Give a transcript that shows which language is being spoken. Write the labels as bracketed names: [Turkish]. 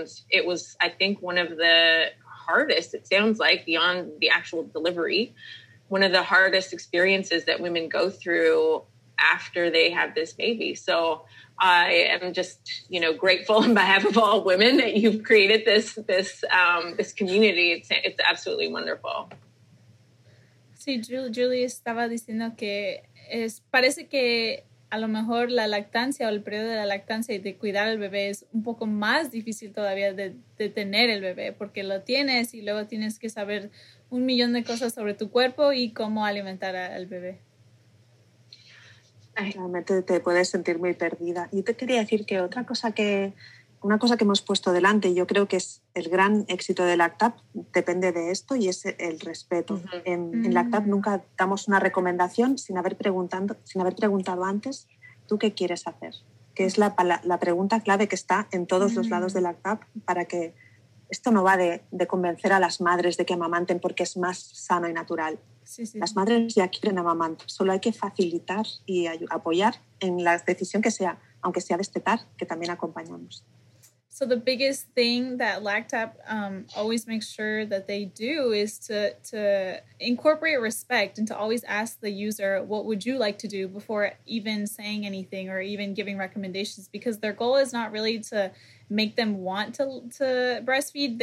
[English] And it was, I think, one of the hardest, it sounds like, beyond the actual delivery, one of the hardest experiences that women go through after they have this baby. So I am just, you know, grateful on behalf of all women that you've created this community. It's absolutely wonderful. [Spanish] Sí, Julie estaba diciendo que parece que a lo mejor la lactancia o el periodo de la lactancia y de cuidar al bebé es un poco más difícil todavía de tener el bebé, porque lo tienes y luego tienes que saber un millón de cosas sobre tu cuerpo y cómo alimentar al bebé. Realmente te puedes sentir muy perdida. Yo te quería decir que una cosa que hemos puesto delante, yo creo que es el gran éxito de LactApp, depende de esto, y es el respeto. Uh-huh. En LactApp nunca damos una recomendación sin haber preguntado antes ¿tú qué quieres hacer? Que es la pregunta clave que está en todos los lados de LactApp, para que esto no va de convencer a las madres de que amamanten porque es más sano y natural. Sí, madres ya quieren amamantar, solo hay que facilitar y apoyar en la decisión que sea, aunque sea destetar, que también acompañamos. [English] So the biggest thing that LactApp always makes sure that they do is to incorporate respect and to always ask the user, what would you like to do, before even saying anything or even giving recommendations, because their goal is not really to make them want to breastfeed.